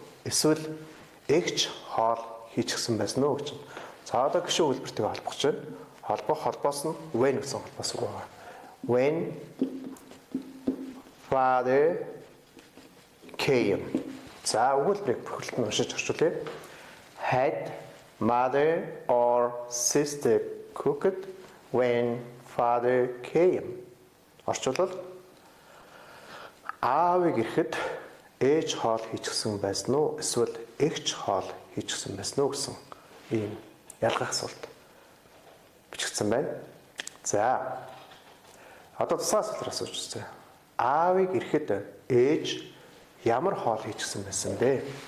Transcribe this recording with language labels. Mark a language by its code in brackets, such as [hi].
[mn] Эсвэл эгч хоол хийчихсэн байсан уу гэж. За одоо гişü хөлбөртэйгээ холбох чинь. Холбох холбоос нь when гэсэн холбоос үг байгаа. [en] When father came. [mn] За өгүүлбэрийг бүхэлд нь уншиж орчуулъя. [en] Had mother or sister cooked when father came? [mn] Орчуулбал аавыг ирэхэд ээж хоол хийчихсэн байсан уу? Эсвэл эгч хоол хийчихсэн байсан уу гэсэн ийм ялгах асуулт бичигдсэн байна. За одоо тусгай асуултаар асууж үзье. Аавыг ирэхэд ээж ямар хоол хийчихсэн байсан бэ?